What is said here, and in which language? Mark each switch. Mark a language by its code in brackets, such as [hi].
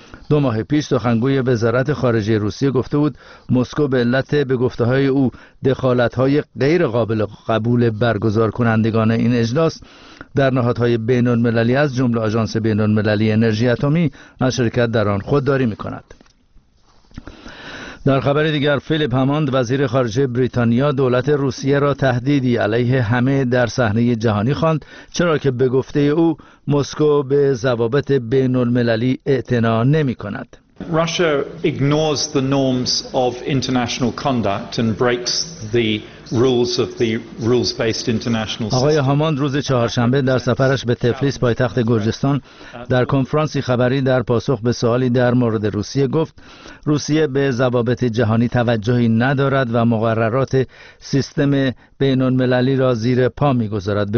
[fa] 2 ماه پیش سخنگوی وزارت خارجه روسیه گفته بود مسکو به علت به گفته‌های او دخالت‌های غیر قابل قبول برگزار کنندگان این اجلاس در نهادهای بین‌المللی از جمله آژانس بین‌المللی انرژی اتمی از شرکت در آن خودداری می‌کند. در خبر دیگر، فیلیپ هاموند وزیر خارجه بریتانیا دولت روسیه را تهدیدی علیه همه در صحنه جهانی خواند، چرا که به گفته او مسکو به ضوابط بین المللی اعتنا نمی کند. [en] Russia ignores the norms of international conduct and breaks the rules of the rules-based international system. [fa] آقای هاموند روز چهارشنبه در سفرش به تفلیس پایتخت گرجستان در کنفرانسی خبری در پاسخ به سوالی در مورد روسیه گفت روسیه به ضوابط جهانی توجهی ندارد و مقررات سیستم بین‌المللی را زیر پا می‌گذارد.